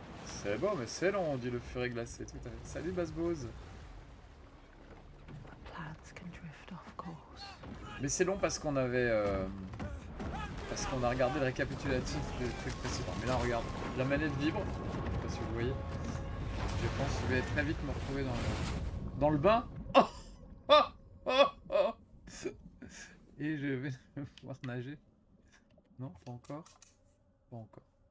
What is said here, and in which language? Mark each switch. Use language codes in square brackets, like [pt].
[fr] C'est bon, mais c'est long, dit le furet glacé. Tout à fait. Salut, Basbose. [en] But plans can drift off course. [fr] Mais c'est long parce qu'on avait. Parce qu'on a regardé le récapitulatif des trucs précédents. Mais là, regarde, la manette vibre. Je sais pas si vous voyez. Je pense que je vais très vite me retrouver dans le bain. Oh, et je vais pouvoir nager. Non, pas encore. Pas encore.